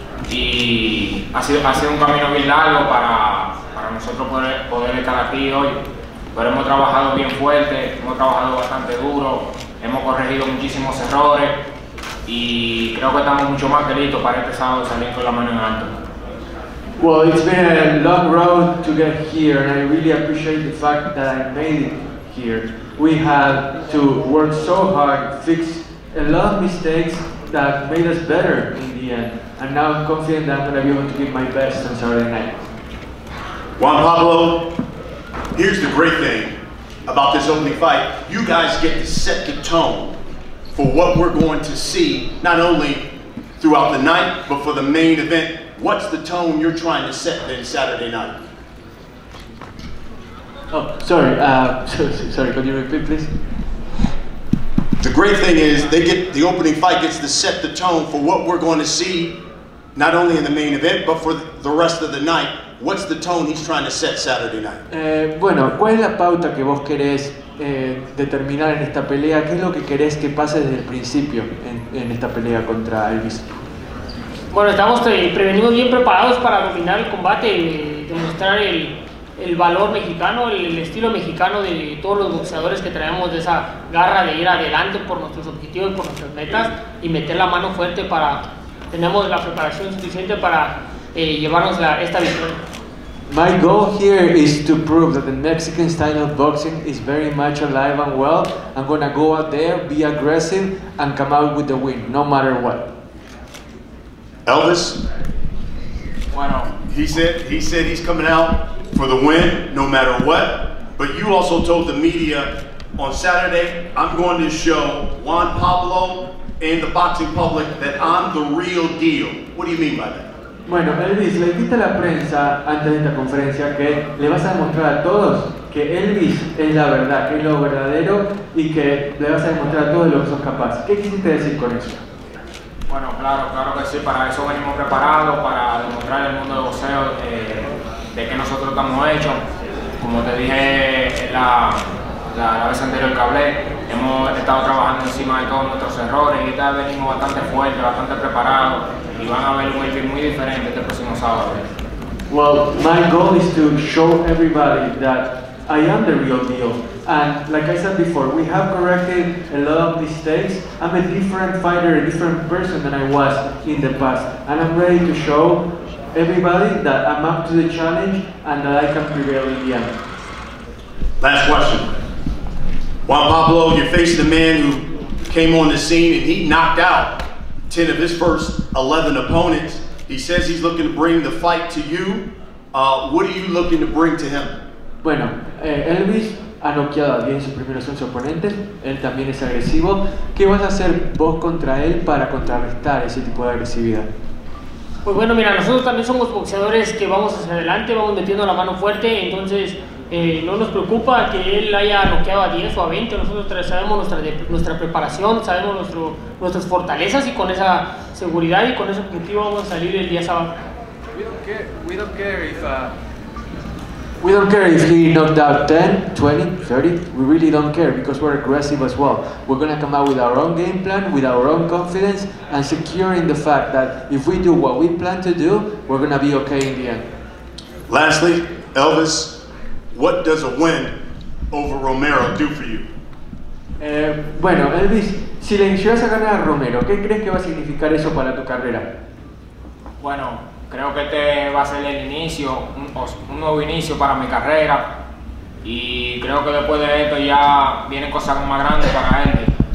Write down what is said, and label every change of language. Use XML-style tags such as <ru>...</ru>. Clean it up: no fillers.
<es>Y ha sido un camino bien largo para nosotros poder estar aquí hoy. Pero hemos trabajado bien fuerte, hemos trabajado bastante duro, hemos corregido muchísimos errores. Y creo que estamos mucho más listos para este sábado salir con la mano en alto.</es> <en>Well, it's been a long road to get here, and I really appreciate the fact that I made it here. We had to work so hard, fix a lot of mistakes that made us better in the end. And now I'm confident that I'm going to be able to give my best on Saturday night. Juan Pablo, here's the great thing about this opening fight. You guys get to set the tone for what we're going to see, not only throughout the night, but for the main event, what's the tone you're trying to set then Saturday night? Sorry, could you repeat, please? The great thing is, the opening fight gets to set the tone for what we're going to see, not only in the main event, but for the rest of the night. What's the tone he's trying to set Saturday night?</en> <es>Bueno, ¿cuál es la pauta que vos querés determinar en esta pelea? ¿Qué es lo que querés que pase desde el principio en esta pelea contra Elvis? Bueno, estamos prevenidos bien preparados para dominar el combate, demostrar el valor mexicano, el estilo mexicano de todos los boxeadores que traemos, de esa garra de ir adelante por nuestros objetivos, por nuestras metas, y meter la mano fuerte para... Tenemos la preparación suficiente para llevarnos esta victoria. My goal here is to prove that the Mexican style of boxing is very much alive and well. I'm gonna go out there, be aggressive, and come out with the win, no matter what. Elvis? Bueno.</es> <en>He said he's coming out for the win, no matter what. But you also told the media, on Saturday, I'm going to show Juan Pablo and the boxing public that I'm the real deal. What do you mean by that?</en> <es>Bueno, Elvis, le dijiste a la prensa antes de esta conferencia que le vas a demostrar a todos que Elvis es la verdad, que es lo verdadero, y que le vas a demostrar a todos lo que sos capaz. ¿Qué quisiste decir con eso? Bueno, claro que sí. Para eso venimos preparados, para demostrar al mundo del boxeo de qué nosotros estamos hechos. Como te dije la vez anterior que hablé, hemos estado trabajando encima de todos nuestros errores y esta vez venimos bastante fuertes, bastante preparados.</es> <en>Well, my goal is to show everybody that I am the real deal. And like I said before, we have corrected a lot of mistakes. I'm a different fighter, a different person than I was in the past. And I'm ready to show everybody that I'm up to the challenge and that I can prevail in the end. Last question. Juan Pablo, you're facing the man who came on the scene and he knocked out 10 of his first 11 opponents. He says he's looking to bring the fight to you. What are you looking to bring to him?</en> <es>Bueno, Elvis ha noqueado a 10 de sus primeros 11 oponentes. Él también es agresivo. ¿Qué vas a hacer vos contra él para contrarrestar ese tipo de agresividad? Pues bueno, mira, nosotros también somos boxeadores que vamos hacia adelante, vamos metiendo la mano fuerte, entonces no nos preocupa que él haya noqueado a 10 o a 20. Nosotros sabemos nuestra preparación, sabemos nuestras fortalezas, y con esa seguridad y con ese objetivo vamos a salir el día sábado.</es> <en>We don't care if he knocked out 10, 20, 30. We really don't care because we're aggressive as well. We're going to come out with our own game plan, with our own confidence, and securing the fact that if we do what we plan to do, we're going to be okay in the end. Lastly, Elvis, what does a win over Romero do for you?</en> <es>Bueno, Elvis, si le llegas a ganar a Romero, ¿qué crees que va a significar eso para tu carrera? Bueno, creo que este va a ser el inicio, un nuevo inicio para mi carrera. Y creo que después de esto ya vienen cosas más grandes para él.</es>